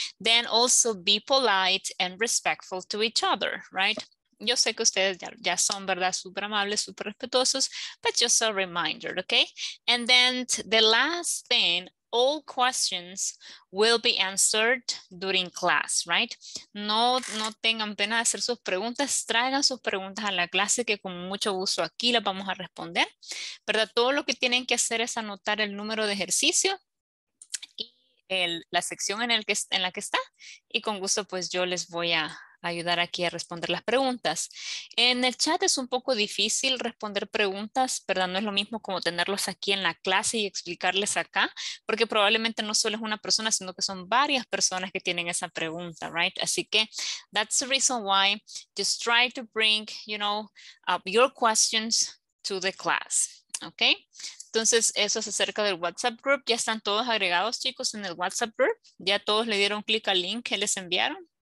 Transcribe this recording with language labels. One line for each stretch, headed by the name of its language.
English: Then also be polite and respectful to each other, right?
Spanish: Yo sé que ustedes ya son, ¿verdad? Super amables, super respetuosos,
English: but just a reminder, okay? And then the last thing, all questions will be answered during class, right?
Spanish: No tengan pena de hacer sus preguntas, traigan sus preguntas a la clase que con mucho gusto aquí las vamos a responder, ¿verdad? Todo lo que tienen que hacer es anotar el número de ejercicio y la sección en la que está, y con gusto pues yo les voy a ayudar aquí a responder las preguntas. En el chat es un poco difícil responder preguntas, ¿verdad? No es lo mismo como tenerlos aquí en la clase y explicarles acá, porque probablemente no solo es una persona, sino que son varias personas que tienen esa pregunta,
English: right?
Spanish: Así que,
English: that's the reason why, just try to bring, up your questions to the class, okay?
Spanish: Entonces, eso es acerca del WhatsApp group. Ya están todos agregados, chicos, en el WhatsApp group. Ya todos le dieron clic al link que les enviaron.